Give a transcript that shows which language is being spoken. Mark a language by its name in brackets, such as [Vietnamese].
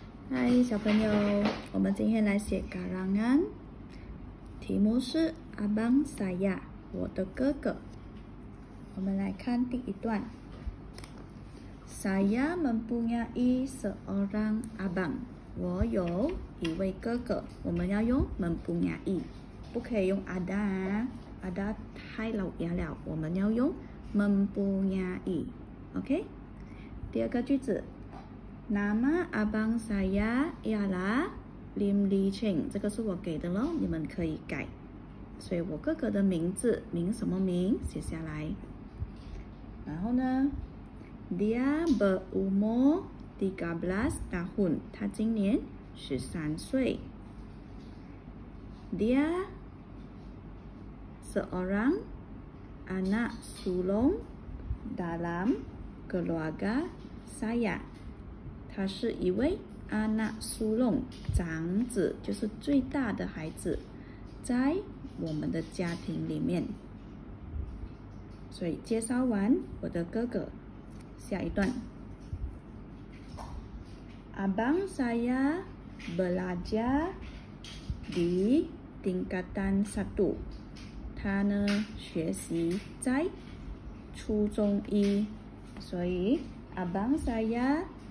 [Chinese] 嗨，小朋友，我们今天来写嘎啷安。题目是阿邦萨亚，我的哥哥。我们来看第一段。 [Malay] Saya mempunyai seorang abang， [Chinese] 我有一位哥哥。我们要用 mempunyai， 不可以用 ada 啊 ，ada 太老牙了。我们要用 mempunyai， OK？第二个句子。 [Malay] Nama abang saya ialah Lim Li Cheng， [Chinese] 这个是我给的咯，你们可以改。所以我哥哥的名字，名什么名，写下来。然后呢 [Malay] ，dia berumur 13 tahun， [Chinese] 他今年13岁。 [Malay] Dia seorang anak sulung dalam keluarga saya。 [Chinese] 他是一位阿纳苏隆长子，就是最大的孩子，在我们的家庭里面。所以介绍完我的哥哥，下一段。 [Malay] Abang saya belajar di tingkatan satu， [Chinese] 他呢学习在初中一，所以 [Malay] Abang saya。